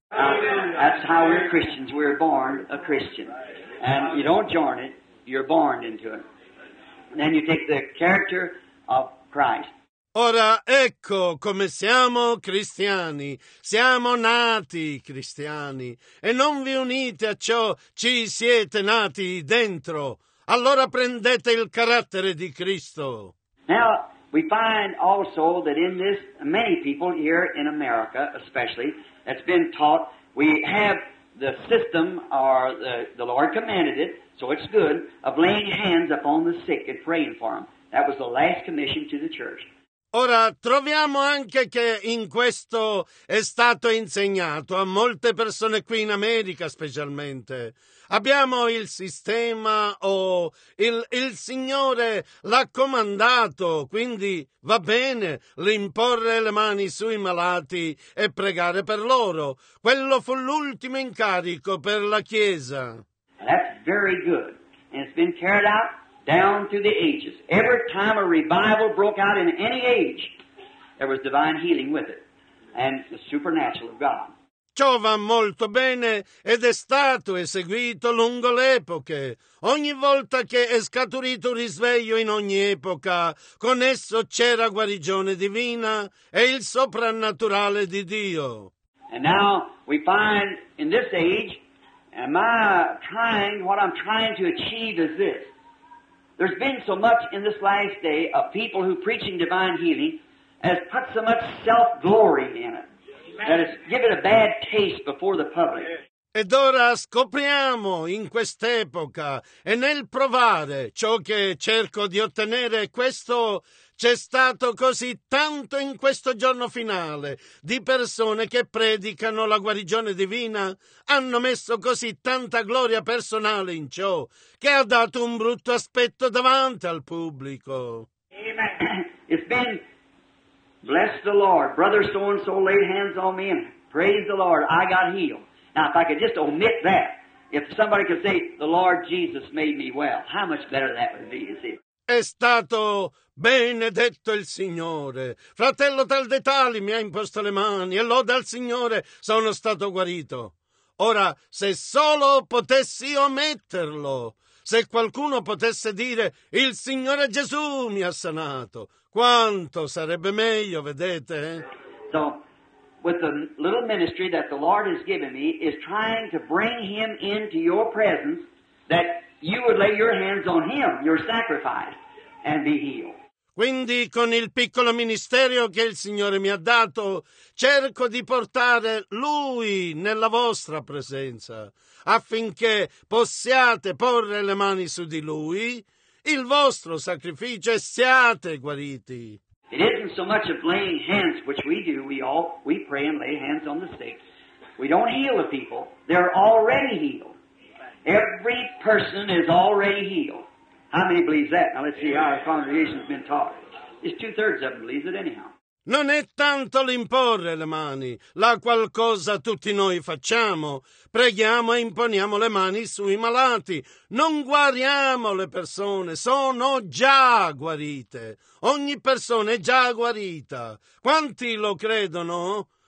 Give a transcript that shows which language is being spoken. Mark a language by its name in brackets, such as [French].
[English] That's how we're Christians. We're born a Christian. And you don't join it, you're born into it. And then you take the character of Christ. [Italian] Ora ecco come siamo cristiani, siamo nati cristiani, e non vi unite a ciò, ci siete nati dentro, allora prendete il carattere di Cristo. [English] Now, we find also that in this, many people here in America especially, that's been taught, we have the system, or the Lord commanded it, so it's good, of laying hands upon the sick and praying for them. That was the last commission to the church. [Italian] Ora, troviamo anche che in questo è stato insegnato a molte persone qui in America specialmente. Abbiamo il sistema il Signore l'ha comandato, quindi va bene l'imporre le mani sui malati e pregare per loro. Quello fu l'ultimo incarico per la Chiesa. [English] That's very good. And it's been carried out down through the ages. Every time a revival broke out in any age, there was divine healing with it, and the supernatural of God. [Italian] Ciò va molto bene ed è stato eseguito lungo le epoche. Ogni volta che è scaturito un risveglio in ogni epoca, con esso c'era guarigione divina e il soprannaturale di Dio. [English] And now we find in this age, what I'm trying to achieve is this. There's been so much in this last day of people who preaching divine healing has put so much self-glory in it that it's given a bad taste before the public. [Italian] Ed ora scopriamo in quest'epoca e nel provare ciò che cerco di ottenere, questo c'è stato così tanto in questo giorno finale di persone che predicano la guarigione divina, hanno messo così tanta gloria personale in ciò che ha dato un brutto aspetto davanti al pubblico. [English] Amen. It's been bless the Lord, brother so and so laid hands on me and praise the Lord, I got healed. Now, if I could just omit that, if somebody could say, the Lord Jesus made me well, how much better that would be, you see? [Italian] È stato benedetto il Signore. Fratello tal dei tali mi ha imposto le mani e lode al Signore, sono stato guarito. Ora, se solo potessi ometterlo, se qualcuno potesse dire, il Signore Gesù mi ha sanato, quanto sarebbe meglio, vedete? [English] So, with the little ministry that the Lord has given me, is trying to bring him into your presence, that you would lay your hands on him, your sacrifice, and be healed. [Italian] Quindi, con il piccolo ministero che il Signore mi ha dato, cerco di portare Lui nella vostra presenza, affinché possiate porre le mani su di Lui, il vostro sacrificio, e siate guariti. [English] It isn't so much of laying hands, which we do, we pray and lay hands on the sick. We don't heal the people, they're already healed. Every person is already healed. How many believe that? Now let's see how our congregation has been taught. It's 2/3 of them believe it anyhow. [Italian] Non è tanto l'imporre le mani, la qualcosa tutti noi facciamo. Preghiamo e imponiamo le mani sui malati. Non guariamo le persone, sono già guarite. Ogni persona è già guarita. Quanti lo credono?